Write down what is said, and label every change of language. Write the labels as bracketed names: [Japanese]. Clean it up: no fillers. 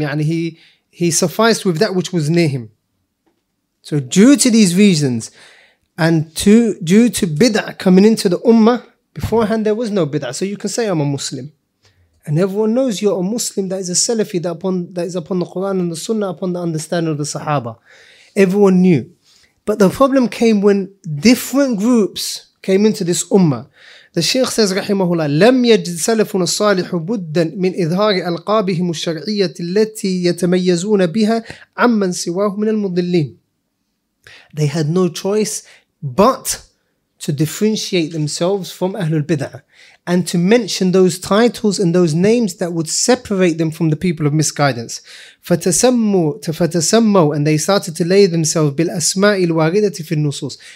[English] يعني he sufficed with that which was near him. So due to these reasons, and due to bid'ah coming into the ummah, beforehand there was no bid'ah. So you can say, I'm a Muslim. And everyone knows you're a Muslim that is a Salafi, that is upon the Quran and the Sunnah, upon the understanding of the Sahaba. Everyone knew. But the problem came when different groups came into this ummah. The Sheikh says, rahimahullah, [Arabic] لم يجد سلفنا الصالح بدا من إظهار ألقابهم الشرعية التي يتميزون بها عمن سواهم من المضلين. [English] They had no choice but to differentiate themselves from Ahlul Bid'ah, and to mention those titles and those names that would separate them from the people of misguidance. [Arabic] فتسموا, [English] and they started to lay themselves [Arabic] بالأسماء الواردة في النصوص.